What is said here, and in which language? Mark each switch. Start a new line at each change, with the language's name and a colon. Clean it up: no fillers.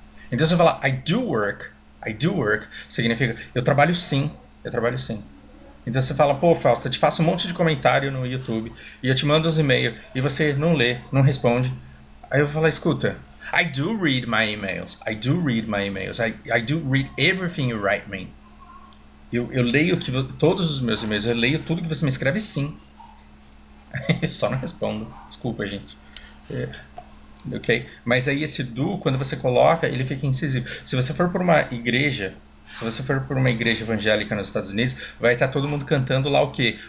Portuguese: Então se eu falar:
English: I do work,
Portuguese: significa eu trabalho sim. Eu trabalho sim. Então você fala: pô, Fausto, eu te faço um monte de comentário no YouTube e eu te mando uns e-mails e você não lê, não responde. Aí eu vou falar: escuta,
English: I do read my emails. I do read my emails. I do read everything you write me.
Portuguese: Eu leio todos os meus e-mails, eu leio tudo que você me escreve, sim. Eu só não respondo. Desculpa, gente. Ok? Mas aí esse do, quando você coloca, ele fica incisivo. Se você for por uma igreja. Se você for por uma igreja evangélica nos Estados Unidos, vai estar todo mundo cantando lá o quê?